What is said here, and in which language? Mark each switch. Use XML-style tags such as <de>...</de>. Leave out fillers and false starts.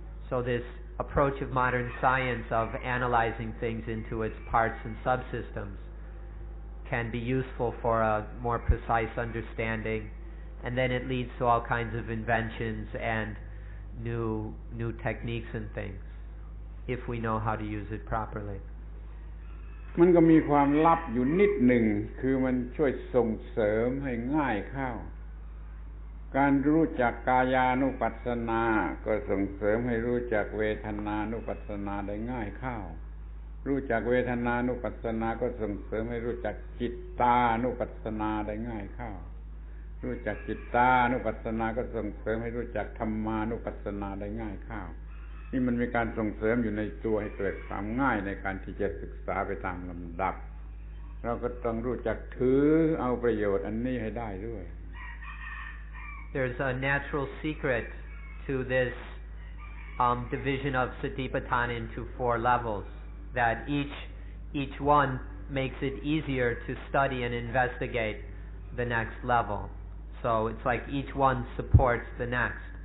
<en>So this approach of modern science of analyzing things into its parts and subsystems can be useful for a more precise understanding, and then it leads to all kinds of inventions and new techniques and things, if we know how to use it properly.</en> <th>มันก็มีความลับอยู่นิดหนึ่งคือมันช่วยส่งเสริมให้ง่ายเข้าการรู้จักกายานุปัสสนาก็ส่งเสริมให้รู้จักเวทนานุปัสสนาได้ง่ายเข้ารู้จักเวทนานุปัสสนาก็ส่งเสริมให้รู้จักจิตตานุปัสสนาได้ง่ายเข้า รู้จักจิตตานุปัสสนาก็ส่งเสริมให้รู้จักธัมมานุปัสสนาได้ง่ายเข้านี่มันมีการส่งเสริมอยู่ในตัวให้เกิดความง่ายในการที่จะศึกษาไปตามลำดับเราก็ต้องรู้จักถือเอาประโยชน์อันนี้ให้ได้ด้วย</th> <en>There's a natural secret to this division of Satipatthana into four levels that each one makes it easier to study and investigate the next level. So it's like each one supports the next.</en>